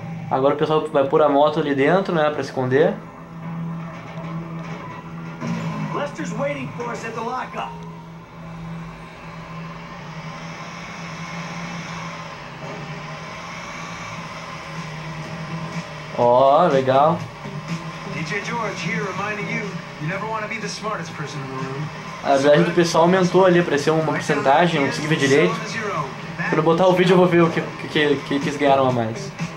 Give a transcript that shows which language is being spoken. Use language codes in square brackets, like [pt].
[pt] Agora o pessoal vai pôr a moto ali dentro, né, pra esconder. [en] Lester's waiting for us at the lockup. [pt] Ó, legal. [en] DJ George here reminding you, you never want to be the smartest person in the room. [pt] A verdade do pessoal aumentou ali, apareceu uma porcentagem, não consegui ver direito. Quando eu botar o vídeo eu vou ver o que eles ganharam a mais.